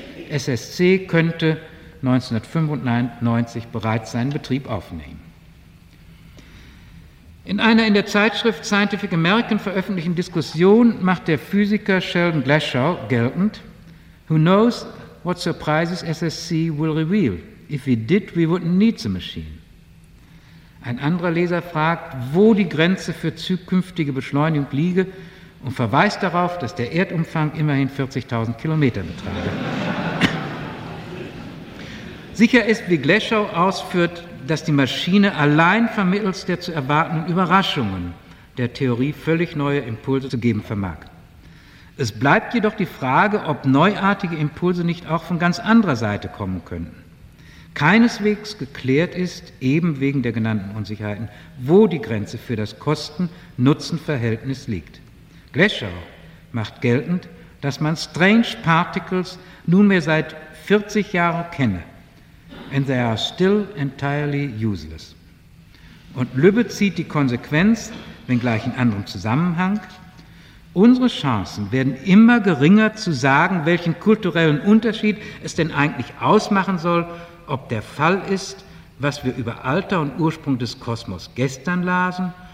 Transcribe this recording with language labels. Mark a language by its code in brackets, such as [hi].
[de] SSC könnte 1995 bereits seinen Betrieb aufnehmen. In einer in der Zeitschrift Scientific American veröffentlichten Diskussion macht der Physiker Sheldon Glashow geltend: [en] Who knows what surprises SSC will reveal? If we did, we wouldn't need the machine. [de] Ein anderer Leser fragt, wo die Grenze für zukünftige Beschleunigung liege und verweist darauf, dass der Erdumfang immerhin 40.000 Kilometer betrage. Sicher ist, wie Glashow ausführt, dass die Maschine allein vermittels der zu erwartenden Überraschungen der Theorie völlig neue Impulse zu geben vermag. Es bleibt jedoch die Frage, ob neuartige Impulse nicht auch von ganz anderer Seite kommen könnten. Keineswegs geklärt ist, eben wegen der genannten Unsicherheiten, wo die Grenze für das Kosten-Nutzen-Verhältnis liegt. Glashow macht geltend, dass man Strange Particles nunmehr seit 40 Jahren kenne. [en] And they are still entirely useless. [de] Und Lübbe zieht die Konsequenz, wenngleich in anderem Zusammenhang: Unsere Chancen werden immer geringer zu sagen, welchen kulturellen Unterschied es denn eigentlich ausmachen soll, ob der Fall ist, was wir über Alter und Ursprung des Kosmos gestern lasen